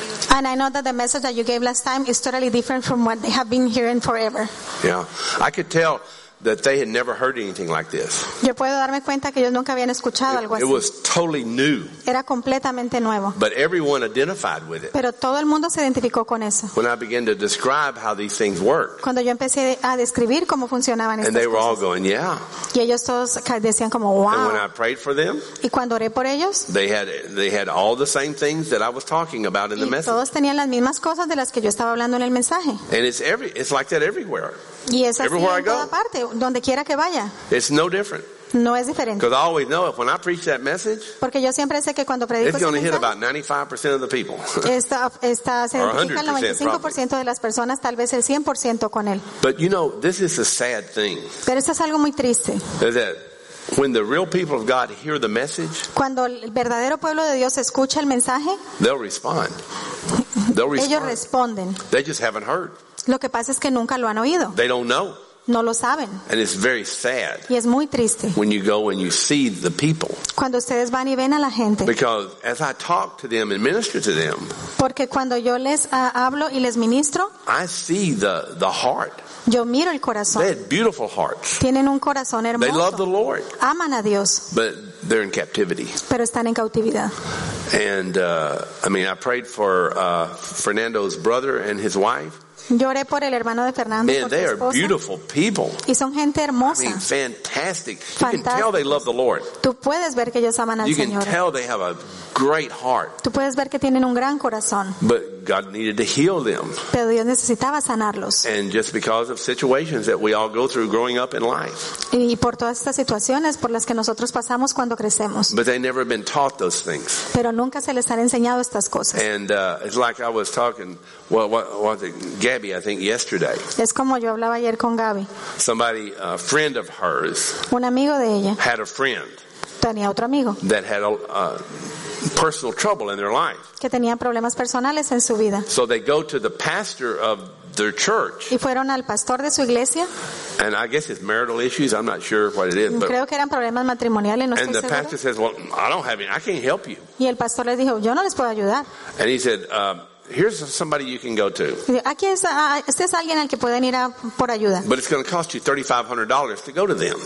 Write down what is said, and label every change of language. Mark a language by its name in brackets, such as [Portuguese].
[English] And I know that the message that you gave last time is totally different from what they have been hearing forever. Yeah, I could tell that they had never heard anything like this. [Spanish] Yo puedo darme cuenta que ellos nunca habían escuchado algo así. [English] It was totally new. [Spanish] Era completamente nuevo. [English] But everyone identified with it. [Spanish] Pero todo el mundo se identificó con eso. [English] When I began to describe how these things work. [Spanish] Cuando yo empecé a describir cómo funcionaban estas cosas. [English] And they were [Spanish] cosas, [English] all going, yeah. [Spanish] Y ellos todos decían como, wow. [English] And when I prayed for them. [Spanish] Y cuando oré por ellos. [English] They had all the same things that I was talking about in the message. [Spanish] Y todos tenían las mismas cosas de las que yo estaba hablando en el mensaje. [English] And it's like that everywhere. [Spanish] Y es así [English] everywhere [Spanish] en toda parte, donde quiera que vaya. [English] It's no different. [Spanish] No es diferente. [English] Because I always know if when I preach that message, [Spanish] porque yo siempre sé que cuando predico [English] it's [Spanish] ese [English] gonna [Spanish] mensaje, [English] hit about 95% of the people. [Spanish] Esta se identifica el 95% de las personas, tal vez el 100% con él. [English] But you know, this is a sad thing. [Spanish] Pero esto es algo muy triste. [English] When the real people of God hear the message, [Spanish] cuando el verdadero pueblo de Dios escucha el mensaje, [English] they'll respond. [Spanish] Ellos responden. [English] They just haven't heard. [Spanish] Lo que pasa es que nunca lo han oído. [English] They don't know. [Spanish] No lo saben. [English] And it's very sad. [Spanish] Y es muy triste. [English] When you go and you see the people. [Spanish] Cuando ustedes van y ven a la gente. [English] Because as I talk to them and minister to them. [Spanish] Porque cuando yo les hablo y les ministro. [English] I see the heart. [Spanish] Yo miro el corazón. [English] They had beautiful hearts. [Spanish] Tienen un corazón hermoso. [English] They love the Lord. [Spanish] Aman a Dios. [English] But they're in captivity. [Spanish] Pero están en cautividad. [English] And I prayed for Fernando's brother and his wife. [Spanish] Lloré por el hermano de Fernando, [English] man, [Spanish] por su esposa. Y son gente hermosa. [English] I mean, fantastic. You can tell they love the Lord. [Spanish] Tú puedes ver que ellos aman al Señor. [English] You can tell they have a great heart. [Spanish] Tú puedes ver que tienen un gran corazón. [English] But God needed to heal them. [Spanish] Pero Dios necesitaba sanarlos. [English] And just because of situations that we all go through growing up in life. [Spanish] Y por todas estas situaciones por las que nosotros pasamos cuando crecemos. [English] But they never been taught those things. [Spanish] Pero nunca se les han enseñado estas cosas. [English] And it's like I was talking, Gabby, I think yesterday. [Spanish] Es como yo hablaba ayer con Gabby. [English] Somebody, a friend of hers. [Spanish] Un amigo de ella. [English] Had a friend. [Spanish] Tenía otro amigo. [English] That had a personal trouble in their life. [Spanish] Que tenía problemas personales en su vida. [English] So they go to the pastor of their church. [Spanish] Y fueron al pastor de su iglesia. [English] And I guess it's marital issues. I'm not sure what it is. But [Spanish] creo que eran problemas matrimoniales. No [English] and [Spanish] estoy segura. [English] Pastor says, "Well, I don't have any. I can't help you." [Spanish] Y el pastor les dijo, "Yo no les puedo ayudar." [English] And he said, "Here's somebody you can go to." [Spanish] Aquí es, este es alguien al que pueden ir a, por ayuda. [English] But it's going to cost you $3,500 to go to them.